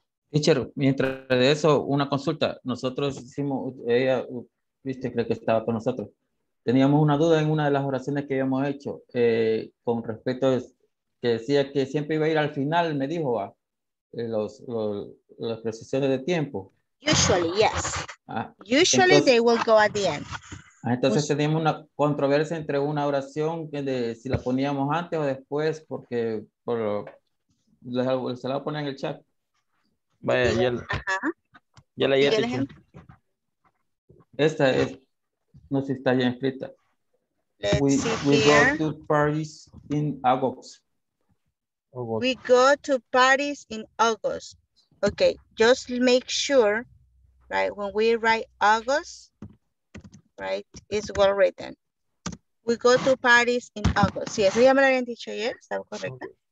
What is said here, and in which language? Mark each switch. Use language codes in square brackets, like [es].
[es] Teacher, mientras de eso, una consulta. Nosotros hicimos, ella... Viste, creo que estaba con nosotros. Teníamos una duda en una de las oraciones que habíamos hecho con respecto a que decía que siempre iba a ir al final, me dijo, las precisiones de tiempo. [en] Usually, yes. Usually entonces, they will go at the end. [es] Entonces teníamos una controversia entre una oración de si la poníamos antes o después, porque se la ponía en el chat. Vaya, ya la Ya te esta es, no sé si está ya escrita. [en] We go to parties in August. We go to parties in August. Okay, just make sure, right, when we write August, right, it's well written. We go to parties in August. [es] Sí, eso ya me lo habían dicho ayer, ¿está correcta?